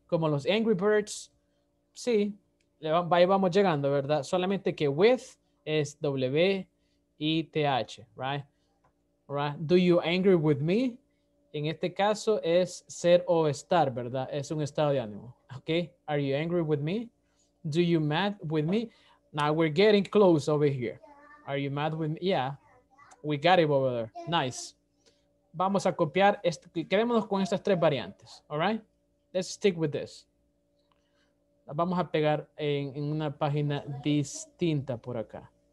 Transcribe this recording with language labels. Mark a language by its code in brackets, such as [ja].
[es] Como los Angry Birds. Sí, ahí vamos llegando, ¿verdad? Solamente que with es W-I-T-H, right? Right? [en] Do you angry with me? [es] En este caso es ser o estar, ¿verdad? Es un estado de ánimo, [en] ¿ok? Are you angry with me? Do you mad with me? Now we're getting close over here. Are you mad with me? Yeah, we got it over there. Nice. [es] vamos a copiar, quedémonos con estas tres variantes, [en] all right? Let's stick with this. [es] Las vamos a pegar en una página distinta por acá.